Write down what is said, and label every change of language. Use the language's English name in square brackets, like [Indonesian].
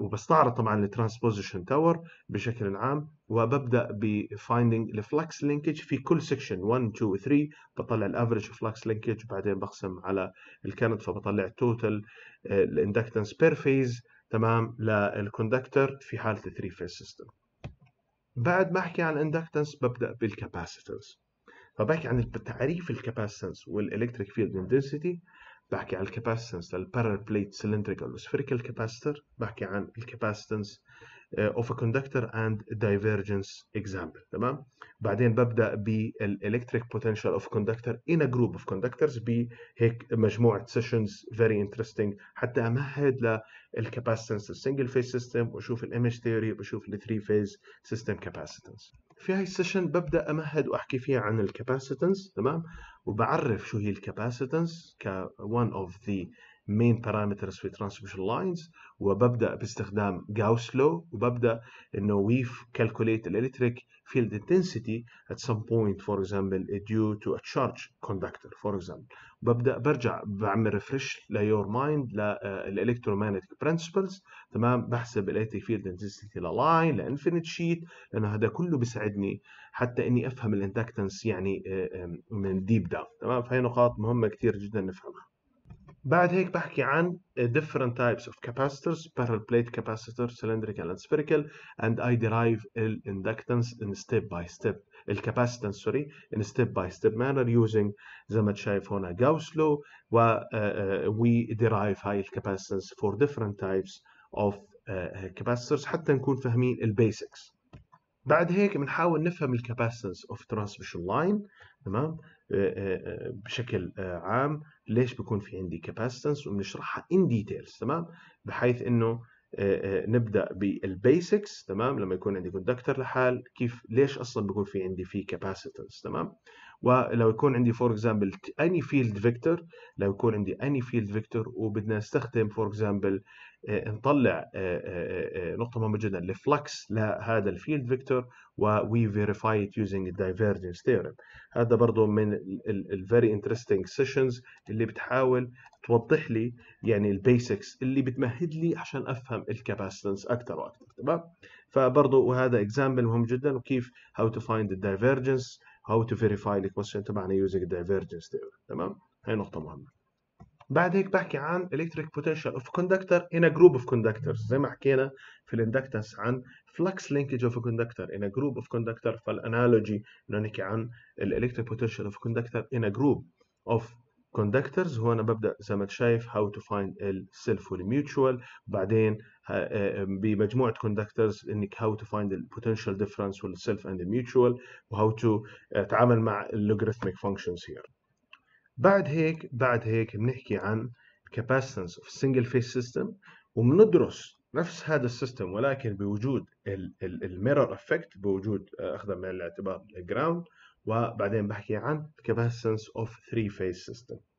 [Arabic] وبستعرض طبعا الترانسبوزيشن تاور بشكل عام، وببدأ بفايندينج الفلكس لينكج في كل سكشن 1 2 3، بطلع الافريج فلكس لينكج، وبعدين بقسم على الكرنت، فبطلع التوتال الاندكتنس بير فيز، تمام، للكوندكتر في حاله 3 فيز سيستم. بعد ما احكي عن الاندكتنس ببدأ بالكاباسيتنس، فبحكي عن تعريف الكاباسيتنس والالكتريك فيلد انتنسيتي، بحكي عن الكاباسيتنس للبارل بليت سيلندريكال وسفيريكال كاباستر، بحكي عن الكاباسيتنس [English] of a conductor and divergence example. [Arabic] تمام؟ بعدين ببدأ بالإلكتريك potential of conductor in a group of conductors بهيك مجموعة sessions very interesting حتى أمهد للكاباسيتنس السنجل فيز سيستم وأشوف الإيمج ثيوري وأشوف الثري فيز سيستم كاباسيتنس. في هاي السيشن ببدأ أمهد وأحكي فيها عن الكاباسيتنس تمام؟ وبعرف شو هي الكاباسيتنس ك one of the main parameters في transmission lines وببدأ باستخدام Gauss law وببدأ إنه we calculate the electric field intensity at some point for example due to a charge conductor for example ببدأ برجع بعمل refresh ليور مايند للإلكترومانيتك principles تمام بحسب electric field intensity للline لإنفينيت شيت لأنه هذا كله بيساعدني حتى إني أفهم الإندكتنس يعني من deep down تمام فهي نقاط مهمة كتير جدا نفهمها. [English] بعد هيك بحكي عن different types of capacitors, parallel plate capacitors, cylindrical and spherical, and I derive the inductance in step by step, the capacitance, sorry, in step by step manner using, زي ما تشايف هنا, Gauss law, we derive high capacitance for different types of capacitors, حتى نكون فاهمين the basics. [Arabic] بعد هيك بنحاول نفهم the capacitance of transmission line, تمام؟ بشكل عام ليش بيكون في عندي capacitance وبنشرحها in details تمام بحيث انه نبدأ بالبيسكس تمام لما يكون عندي conductor لحال كيف ليش اصلا بيكون في عندي في capacitance تمام ولو يكون عندي for example any field vector لو يكون عندي any field vector وبدنا نستخدم for example نطلع نقطة مهمة جدا الflux لهذا الفيلد فيكتور و we verify it using the divergence theorem هذا برضو من ال very interesting sessions اللي بتحاول توضح لي يعني البيسكس اللي بتمهد لي عشان أفهم الكاباسيتنس أكتر وأكتر تمام فبرضو وهذا example مهم جدا وكيف how to find the divergence how to verify the question تبعنا using the divergence theorem تمام هاي نقطة مهمة. [English] بعد هيك بحكي عن electric potential of conductor in a group of conductors زي ما حكينا في الاندكتنس عن flux linkage of a conductor in a group of conductor فالانالوجي انه نحكي عن electric potential of conductor in a group of conductors هو انا ببدأ زي ما تشايف how to find self or mutual بعدين بمجموعة conductors انك how to find the potential difference with self and the mutual و how to تعامل مع logarithmic functions here. [Arabic] بعد هيك بنحكي عن capacitance of single phase system وبندرس نفس هذا السيستم ولكن بوجود الميرور افكت بوجود اخذها من الاعتبار الجراوند وبعدين بحكي عن capacitance of three phase system.